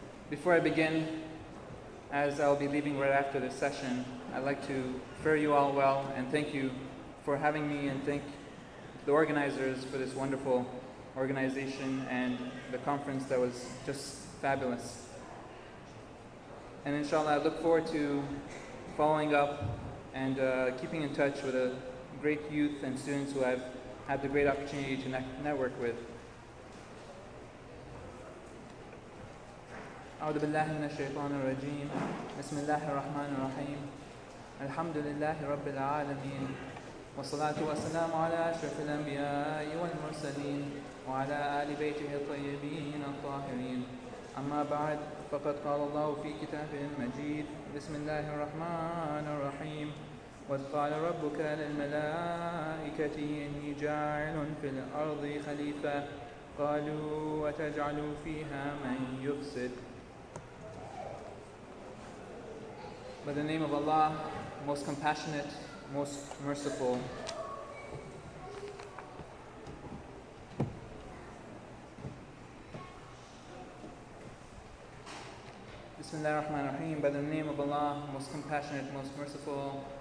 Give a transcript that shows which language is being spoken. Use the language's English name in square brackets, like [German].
[English] Before I begin, as I'll be leaving right after this session, I'd like to fare you all well and thank you for having me, and thank the organizers for this wonderful organization and the conference that was just fabulous. And inshallah, I look forward to following up and keeping in touch with a great youth and students who I've had the great opportunity to network with. [Arabic] أعوذ بالله من الشيطان الرجيم بسم الله الرحمن الرحيم الحمد لله رب العالمين والصلاة والسلام على أشرف الأنبياء والمرسلين وعلى آل بيته الطيبين الطاهرين أما بعد فقد قال الله في كتابه المجيد بسم الله الرحمن الرحيم وقال ربك للملائكة إني جاعل في الأرض خليفة قالوا وتجعل فيها من يفسد. [English] By the name of Allah, most compassionate, most merciful. [Arabic] Bismillah ar-Rahman ar-Rahim. [English] By the name of Allah, most compassionate, most merciful.